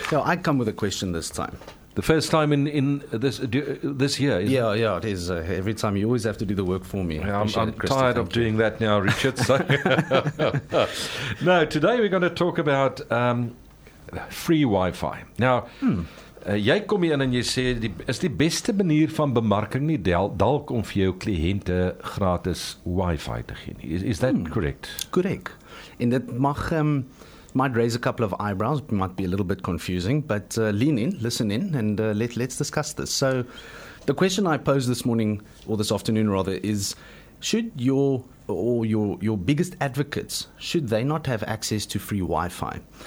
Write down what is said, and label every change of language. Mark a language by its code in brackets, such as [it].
[en] So I come with a question this time. The first time in this year? Yeah, it is. Every time you always have to do the work for me. I'm tired of doing that now, Richard. So. No, today we're going to talk about free Wi-Fi. [af] Now, jy kom hier in en jy sê, is die beste manier van bemarking nie dalk om vir jou kliënte gratis Wi-Fi te gee nie? [en] Is that correct? Correct. And it might raise a couple of eyebrows, might be a little bit confusing, but lean in, listen in, and let's discuss this. So the question I posed this morning, or this afternoon rather, is should your biggest advocates, should they not have access to free Wi-Fi?